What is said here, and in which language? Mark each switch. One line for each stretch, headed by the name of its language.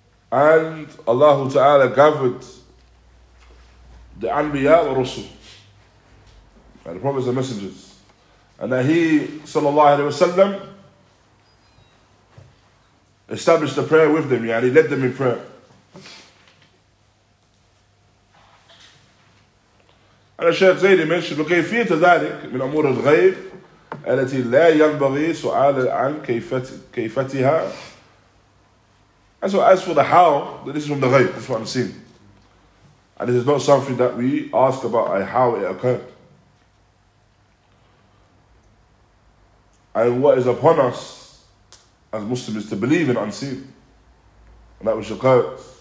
English: And Allah Ta'ala gathered the Anbiya wa Rusul, the prophets and messengers. And that he, sallallahu alayhi wa sallam, established a prayer with them, yeah, and he led them in prayer.
Arabic: And Shaykh Zayd mentioned, وكيفيت ذلك من أمور الغيب التي لا ينبغي سؤال عن كيفتها.
English: And so as for the how, this is from the ghayb, this is what I'm seeing. And this is not something that we ask about how it occurred. And what is upon us as Muslims to believe in unseen, and that which occurs.